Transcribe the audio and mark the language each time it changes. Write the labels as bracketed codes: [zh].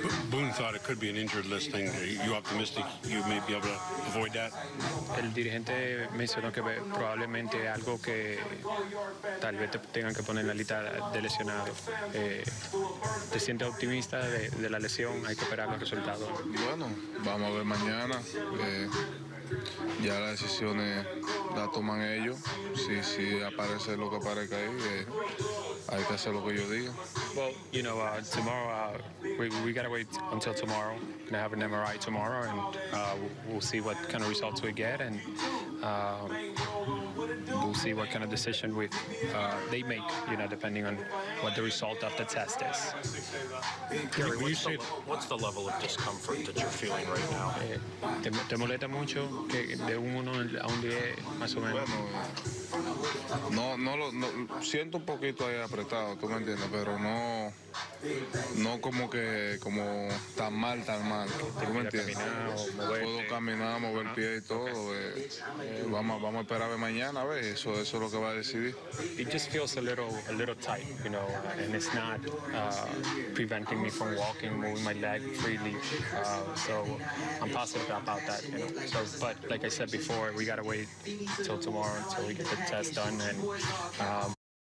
[en] Boone thought it could be an injured list thing. Are you optimistic you may be able to avoid that? [es] El dirigente mencionó que probablemente algo que tal vez te tengan que poner en la lista de lesionado. ¿Te sientes optimista de la lesión? Hay que esperar los resultados. Bueno, vamos a ver mañana. Ya las decisiones las toman ellos. Si aparece lo que aparezca ahí, hay que hacer lo que yo diga. [en] Well, you know, tomorrow, we got to wait until tomorrow. Going to have an MRI tomorrow, and we'll see what kind of results we get, and we'll see what kind of decision they make, you know, depending on what the result of the test is. Gary, what's the level of discomfort that you're feeling right now? [es] ¿Te molesta mucho? ¿Que de uno a un diez, más o menos? Bueno, no, siento un poquito ahí apretado, tú me entiendes, pero no como tan mal, tú me entiendes. Puedo caminar, mover el pie y todo. Okay. Vamos a esperar a ver mañana, a ver, eso es lo que va a decidir. [en] It just feels a little tight, you know, and it's not preventing me from walking, moving my leg freely, so I'm positive about that, you know. So, but like I said before, we gotta wait till tomorrow until we get the test done, and